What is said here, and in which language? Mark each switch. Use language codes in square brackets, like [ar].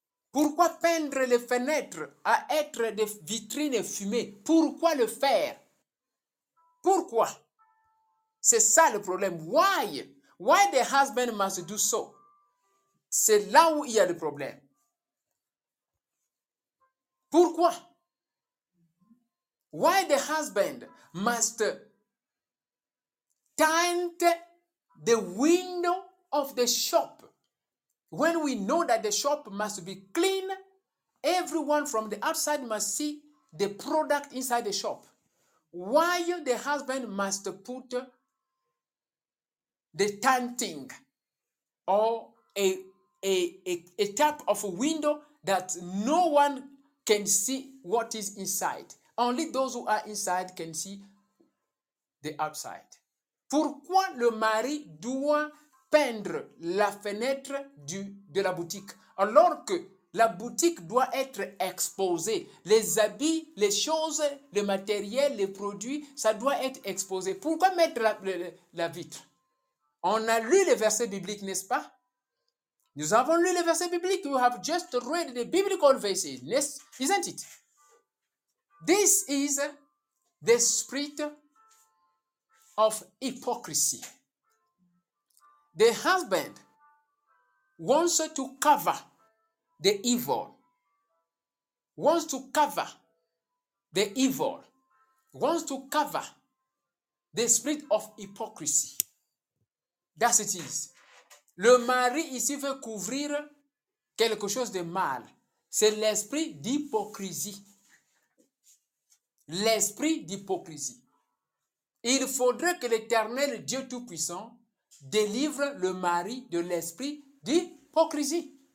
[fr] Pourquoi peindre les fenêtres à être des vitrines fumées? Pourquoi le faire? Pourquoi? C'est ça le problème. [en] Why? Why the husband must do so? [fr] C'est là où il y a le problème. Pourquoi? [en] Why the husband must tint the window of the shop, when we know that the shop must be clean, everyone from the outside must see the product inside the shop. Why the husband must put the tinting or a type of a window that no one can see what is inside? Only those who are inside can see the outside. [fr] Pourquoi le mari doit peindre la fenêtre de la boutique, alors que la boutique doit être exposée? Les habits, les choses, le matériel, les produits, ça doit être exposé. Pourquoi mettre la vitre? On a lu le verset biblique, n'est-ce pas? Nous avons lu les versets bibliques. [en] We have just read the biblical verses, isn't it? This is the spirit of hypocrisy. The husband wants to cover the evil, wants to cover the evil, wants to cover the spirit of hypocrisy. That's it is. [fr] Le mari ici veut couvrir quelque chose de mal. C'est l'esprit d'hypocrisie. L'esprit d'hypocrisie. Il faudrait que l'Éternel Dieu Tout-Puissant délivre le mari de l'esprit d'hypocrisie.